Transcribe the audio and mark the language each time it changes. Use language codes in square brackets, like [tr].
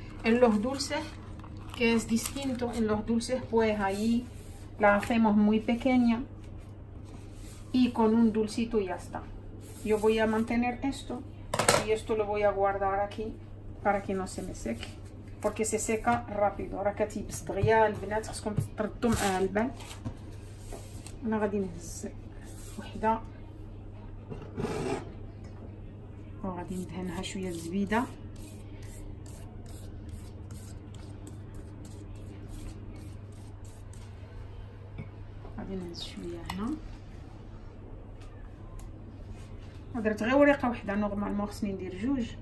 [es] ان لو دولسي كي اس ديستينتو ان لو دولسي بويس اي لا هاسيموس موي بيكينيا y con un dulcito ya está. Yo voy a mantener esto y esto lo voy a guardar aquí para que no se me seque. بوركي سي سيكا رابيدو، [ar] راه كتيبس دغيا البنات خصكم تردو معاها البال. انا غادي نهز وحده وغادي ندهنها شويه الزبيده غادي نهز شويه هنا درت غير ورقه وحده نورمالمون خصني ندير جوج